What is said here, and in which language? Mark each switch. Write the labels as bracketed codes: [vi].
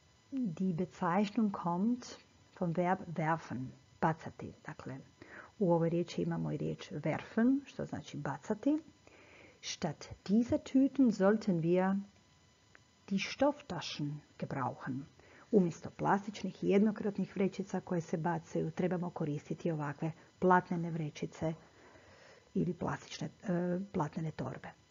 [de] Die Bezeichnung kommt vom Verb werfen, bacati. [hr] Dakle, u ovoj riječi imamo i riječ werfen, što znači bacati. [de] Statt dieser Tüten sollten wir die Stofftaschen gebrauchen. [hr] Umjesto plastičnih i jednokratnih vrećica koje se bacaju, trebamo koristiti ovakve platnene vrećice ili plastične platnene torbe.